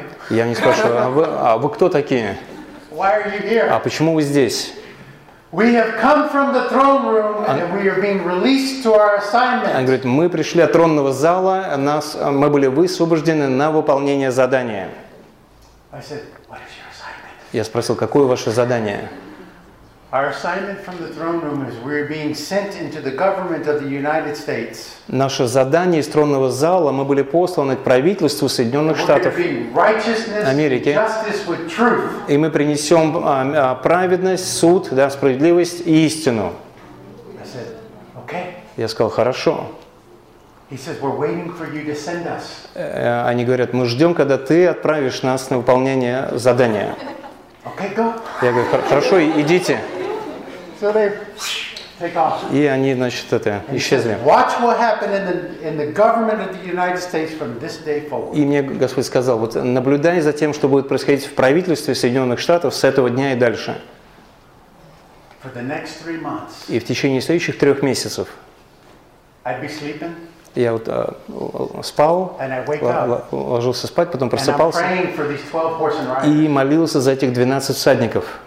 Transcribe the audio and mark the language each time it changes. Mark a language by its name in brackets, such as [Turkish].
[Russian] Я не спрашиваю, а вы кто такие? А почему вы здесь? [English] We have come from the throne room and we are being released to our assignment. [Russian] Он говорит, мы пришли от тронного зала, мы были высвобождены на выполнение задания. [English] I said, what is your assignment? [Russian] Я спросил, какое ваше задание? [English] Our assignment from the throne room is we are being sent into the government of the United States. [Russian] Наше задание из тронного зала, мы были посланы к правительству Соединенных Штатов Америки. И мы принесем праведность, суд, да, справедливость и истину. [English] I said, okay. [Russian] Я сказал, хорошо. [English] He says, we're waiting for you to send us. [Russian] Они говорят, мы ждем, когда ты отправишь нас на выполнение задания. [English] Okay, go. [Russian] Я говорю, хорошо, идите. [English] So they take off. [Russian] И они, значит, это, [English] and [Russian] исчезли. [English] Watch what happened in the government of the United States from this day forward. [Russian] И мне Господь сказал, вот наблюдай за тем, что будет происходить в правительстве Соединенных Штатов с этого дня и дальше. [English] For the next 3 months. [Russian] И в течение следующих 3 месяцев. [English] I'd be sleeping. [Russian] Я вот спал, ложился спать, потом просыпался и молился за этих 12 всадников.